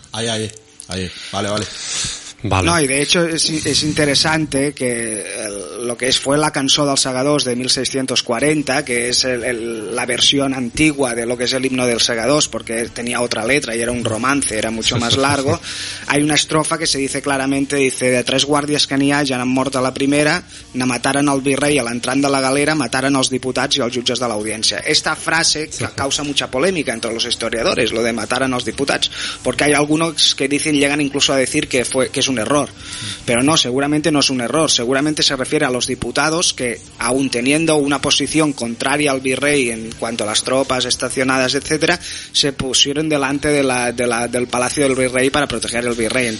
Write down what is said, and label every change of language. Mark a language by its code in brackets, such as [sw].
[es] Ahí. Vale. No, y de hecho es interesante que lo que fue la Cançó dels Segadors de 1640, que es la versión antigua de lo que es el himno dels Segadors, porque tenía otra letra y era un romance, era mucho más largo. Hay una estrofa que se dice claramente, dice: [ca] de tres guàrdies que n'hi ha, ja n'han mort a la primera, na mataren al virrei a l'entrant de la galera, mataren els diputats i els jutges de l'audiència. [es] Esta frase que causa mucha polémica entre los historiadores, lo de [ca] mataren els diputats, [es] porque hay algunos que dicen, llegan incluso a decir que es un error, pero no, seguramente no es un error, seguramente se refiere a los diputados que, aun teniendo una posición contraria al virrey en cuanto a las tropas estacionadas, etcétera, se pusieron delante del palacio del virrey para proteger al virrey.